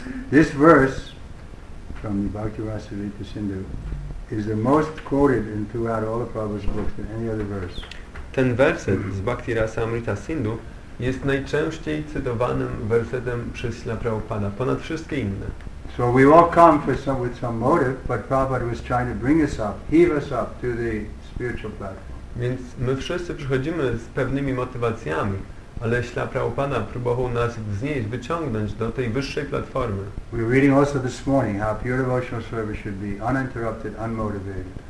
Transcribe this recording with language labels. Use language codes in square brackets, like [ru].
[en] This verse from the Bhakti Rasavita Sindhu is the most quoted in throughout all of Prabhupada's books than any other verse. [pl] Ten werset z Bhakti Rasamrita Sindhu jest najczęściej cytowanym wersetem przez Śrila Prabhupada ponad wszystkie inne. [en] So we all come for some, with some motive, but Prabhupada was trying to bring us up, heave us up to the spiritual platform. [pl] Więc my wszyscy przychodzimy z pewnymi motywacjami, ale Śrila Prabhupada próbował nas wznieść, wyciągnąć do tej wyższej platformy. [en] We're reading also this morning how pure devotional service should be uninterrupted, unmotivated.